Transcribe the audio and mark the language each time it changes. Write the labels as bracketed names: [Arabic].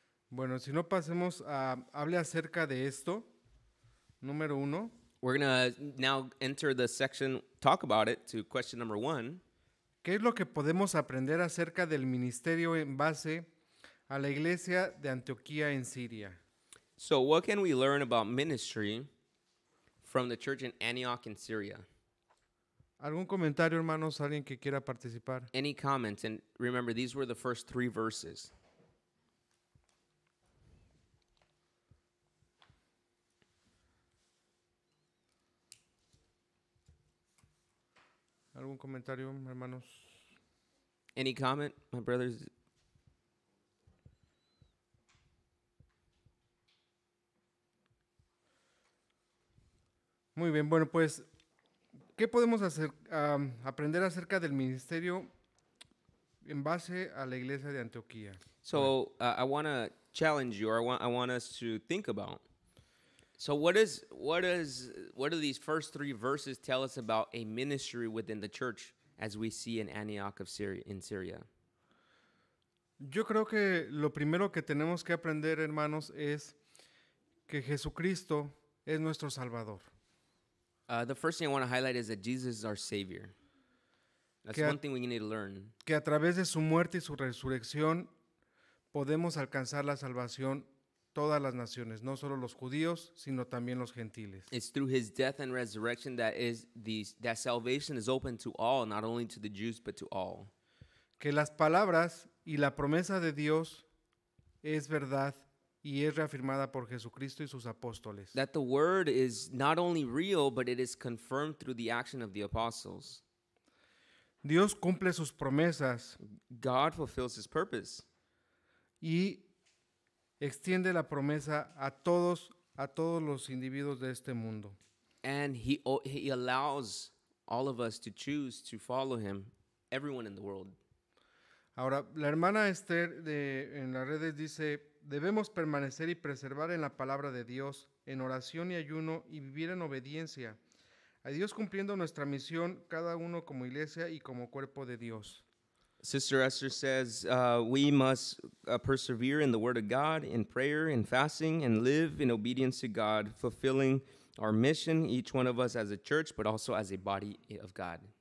[Spanish] Bueno, si no, pasemos a hable acerca de esto, Número uno. [English] We're going to now enter the section, talk about it, to question number one. [Spanish] ¿Qué es lo que podemos aprender acerca del ministerio en base a la iglesia de Antioquía en Siria? [English] So what can we learn about ministry from the church in Antioch in Syria? [Spanish] ¿Algún comentario, hermanos? ¿Alguien que quiera participar? [English] Any comments? And remember, these were the first three verses. [Spanish] ¿Algún comentario, hermanos? [English] Any comment, my brothers? [Spanish] Muy bien, bueno, pues, ¿qué podemos hacer, aprender acerca del ministerio en base a la iglesia de Antioquía? [English] So, I want to challenge you, or I want us to think about. So, what do these first three verses tell us about a ministry within the church as we see in Antioch of Syria, in Syria? [Spanish] Yo creo que lo primero que tenemos que aprender, hermanos, es que Jesucristo es nuestro Salvador. [English] The first thing I want to highlight is that Jesus is our Savior. That's one thing we need to learn. [Spanish] Que a través de su muerte y su resurrección podemos alcanzar la salvación todas las naciones, no solo los judíos, sino también los gentiles. [English] It's through his death and resurrection that is that salvation is open to all, not only to the Jews, but to all. [Spanish] Que las palabras y la promesa de Dios es verdad y es reafirmada por Jesucristo y sus apóstoles. [English] That the word is not only real, but it is confirmed through the action of the apostles. [Spanish] Dios cumple sus promesas. [English] God fulfills his purpose. [Spanish] Y extiende la promesa a todos los individuos de este mundo. [English] And he allows all of us to choose to follow him, everyone in the world. [Spanish] Ahora, la hermana Esther en las redes dice, debemos permanecer y preservar en la palabra de Dios, en oración y ayuno, y vivir en obediencia a Dios, cumpliendo nuestra misión, cada uno como iglesia y como cuerpo de Dios. [English] Sister Esther says, we must persevere in the word of God, in prayer, in fasting, and live in obedience to God, fulfilling our mission, each one of us as a church, but also as a body of God.